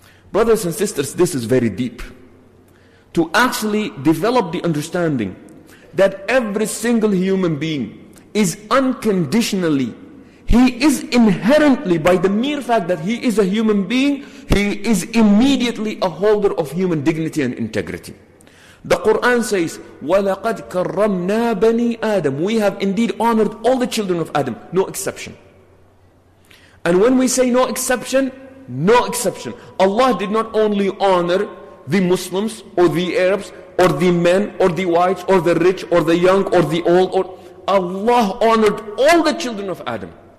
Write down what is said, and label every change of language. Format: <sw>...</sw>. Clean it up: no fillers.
<en>Brothers and sisters, this is very deep. To actually develop the understanding that every single human being is unconditionally, he is inherently, by the mere fact that he is a human being, he is immediately a holder of human dignity and integrity. The Quran says,</en> <ar>وَلَقَدْ كَرَّمْنَا بَنِي آدَمْ.</ar> <en>We have indeed honored all the children of Adam, no exception. And when we say no exception, no exception. Allah did not only honor the Muslims or the Arabs or the men or the whites or the rich or the young or the old. Allah honored all the children of Adam.</en>